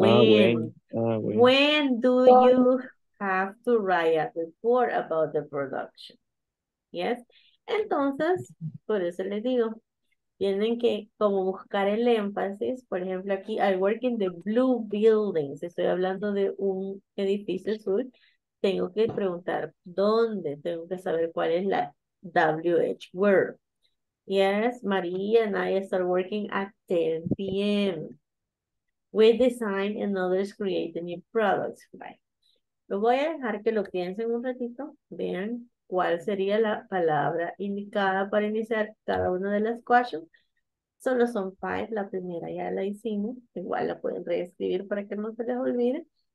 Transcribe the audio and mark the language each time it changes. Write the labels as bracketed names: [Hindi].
[English] When do you have to write a report about the production? Yes. [Spanish] Entonces, por eso les digo, tienen que como buscar el énfasis. Por ejemplo, aquí, [English] I work in the blue buildings. [Spanish] Estoy hablando de un edificio azul. Tengo que preguntar dónde. Tengo que saber cuál es la [English] WH word. Yes, María and I start working at 10 p.m. We design and others create the new products. Bye. [Spanish] Lo voy a dejar que lo piensen un ratito. Vean cuál sería la palabra indicada para iniciar cada una de las [English] questions. [Spanish] Solo son 5. La primera ya la hicimos. Igual la pueden reescribir para que no se les olvide.